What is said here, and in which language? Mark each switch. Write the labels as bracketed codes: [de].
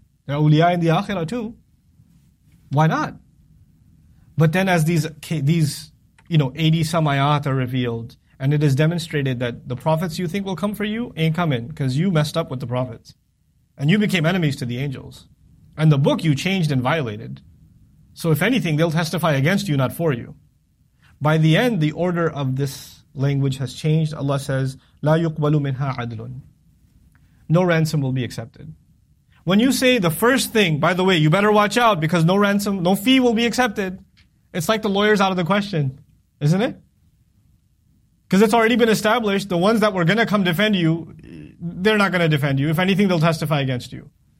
[en] They're awliya in the Akhirah too. Why not? But then as these you know, 80-some ayat are revealed, and it is demonstrated that the prophets you think will come for you ain't coming because you messed up with the prophets. And you became enemies to the angels. And the book you changed and violated. So if anything, they'll testify against you, not for you. By the end, the order of this language has changed. Allah says, [ar] لَا يُقْبَلُ مِنْهَا عَدْلٌ. [en] No ransom will be accepted. When you say the first thing, by the way, you better watch out because no ransom, no fee will be accepted. It's like the lawyer's out of the question, isn't it? Because it's already been established, the ones that were going to come defend you, they're not going to defend you. If anything, they'll testify against you.